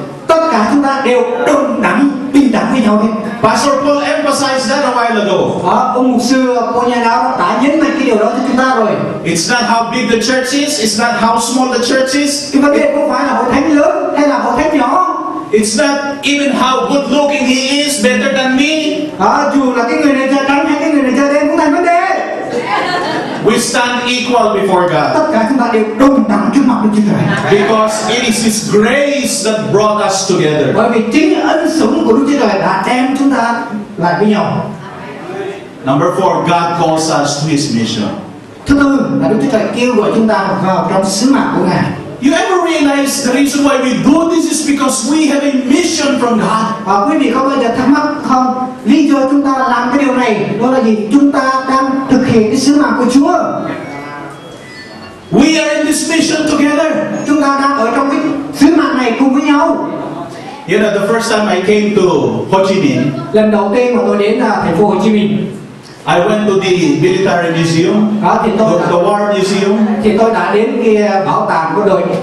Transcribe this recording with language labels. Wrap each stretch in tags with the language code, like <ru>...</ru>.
<vi>Tất cả chúng ta đều đồng đẳng, bình đẳng với nhau.</vi> <en>Pastor Paul emphasized that a while ago.</en> <vi>Ông mục sư Paul nhà đó đã nhấn mạnh cái điều đó cho chúng ta rồi.</vi> <en>It's not how big the church is. It's not how small the church is.</en> <vi>Cái vấn đề không phải là hội thánh lớn hay là hội thánh nhỏ.</vi> <en>It's not even how good looking he is, better than me.</en> <vi>Dù là cái người này da trắng hay cái người này da đen cũng là vấn đề.</vi> <en>We stand equal before God.</en> <vi>Tất cả chúng ta đều đồng đẳng trước mặt Đức Chúa Trời.</vi> <en>Because it is His grace that brought us together.</en> <vi>Bởi vì chính ân sủng của Đức Chúa Trời đã đem chúng ta lại với nhau.</vi> <en>Number four, God calls us to His mission.</en> <vi>Thứ tư là Đức Chúa Trời kêu gọi chúng ta vào trong sứ mạng của Ngài.</vi> <en>You ever realize the reason why we do this is because we have a mission from God?</en> <vi>Và quý vị có bao giờ thắc mắc không? Lý do chúng ta làm cái điều này đó là gì? Chúng ta đang thực hiện cái sứ mạng của Chúa.</vi> <en>We are in this mission together.</en> <vi>Chúng ta đang ở trong cái sứ mạng này cùng với nhau.</vi> <en>You know, the first time I came to Ho Chi Minh.</en> <vi>Lần đầu tiên mà tôi đến là thành phố Ho Chi Minh.</vi> <en>I went to the military museum, the war museum.</en> <vi>Thì tôi đã đến cái bảo tàng của đội.</vi>